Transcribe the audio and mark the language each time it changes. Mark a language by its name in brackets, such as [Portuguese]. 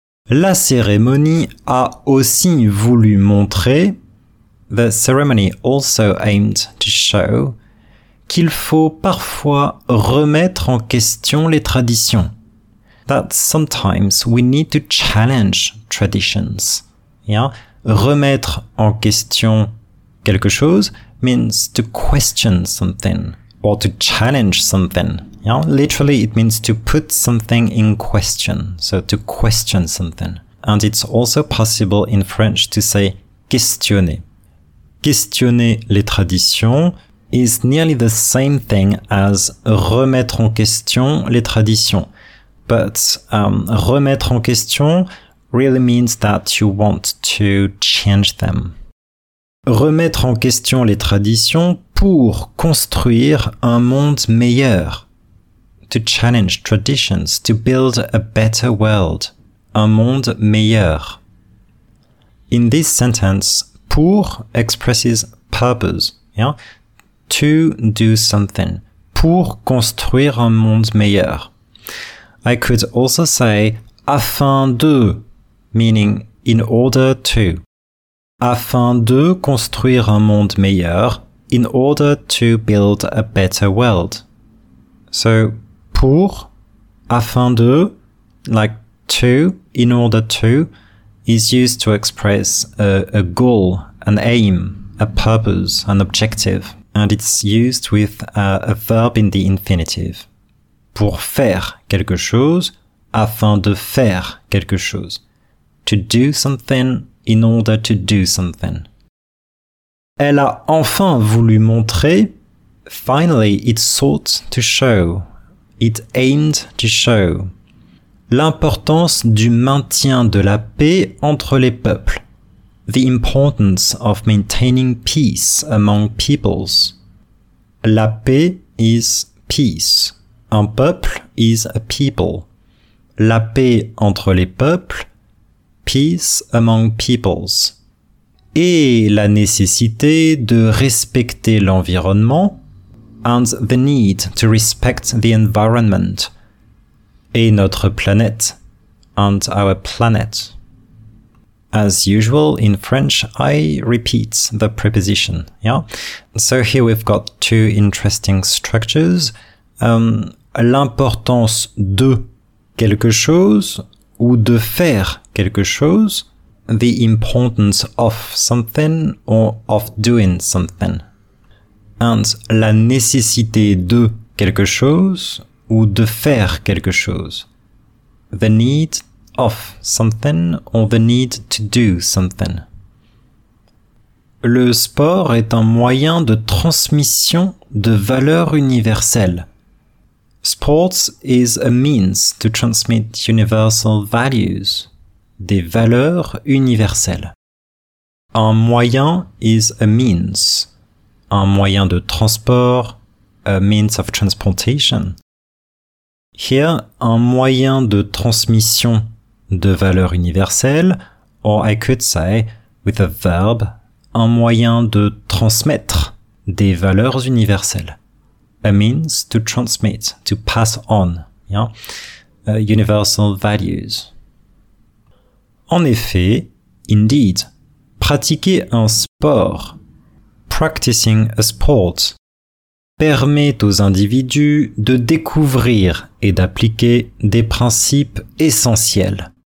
[French] La cérémonie a aussi voulu montrer, [English] the ceremony also aimed to show, [French] qu'il faut parfois remettre en question les traditions. [English] That sometimes we need to challenge traditions. Yeah? [French] Remettre en question quelque chose [English] means to question something or to challenge something. Yeah? Literally, it means to put something in question. So to question something. And it's also possible in French to say questionner. [French] Questionner les traditions [English] is nearly the same thing as [French] remettre en question les traditions. [English] But [French] remettre en question [English] really means that you want to change them. [French] Remettre en question les traditions pour construire un monde meilleur. [English] To challenge traditions, to build a better world. [French] Un monde meilleur. [English] In this sentence, pour expresses purpose. Yeah? To do something. [French] Pour construire un monde meilleur. [English] I could also say afin de, meaning in order to. [French] Afin de construire un monde meilleur, [English] in order to build a better world. So, pour, afin de, like to, in order to, is used to express a goal, an aim, a purpose, an objective. And it's used with a verb in the infinitive. [French] Pour faire quelque chose, afin de faire quelque chose. [English] To do something, in order to do something. [French] Elle a enfin voulu montrer. [English] Finally, it sought to show. It aimed to show. [French] L'importance du maintien de la paix entre les peuples. [English] The importance of maintaining peace among peoples. La paix is peace. Un peuple is a people. [French] La paix entre les peuples. [English] Peace among peoples. [French] Et la nécessité de respecter l'environnement. [English] And the need to respect the environment. [French] Et notre planète. [English] And our planet. As usual, in French, I repeat the preposition. Yeah? So here we've got two interesting structures. [French] L'importance de quelque chose ou de faire quelque chose. [English] The importance of something or of doing something. [French] And la nécessité de quelque chose ou de faire quelque chose. [English] The need of something or the need to do something. [French] Le sport est un moyen de transmission de valeurs universelles. [English] Sports is a means to transmit universal values, [French] des valeurs universelles. [English] Un moyen is a means, [French] un moyen de transport, [English] a means of transportation. [French] Here, un moyen de transmission de valeurs universelles, [English] or I could say, with a verb, [French] un moyen de transmettre des valeurs universelles. [English] A means to transmit, to pass on, yeah? Universal values. [French] En effet, indeed, pratiquer un sport, [English] practicing a sport, [French] permet aux individus de découvrir et d'appliquer des principes essentiels.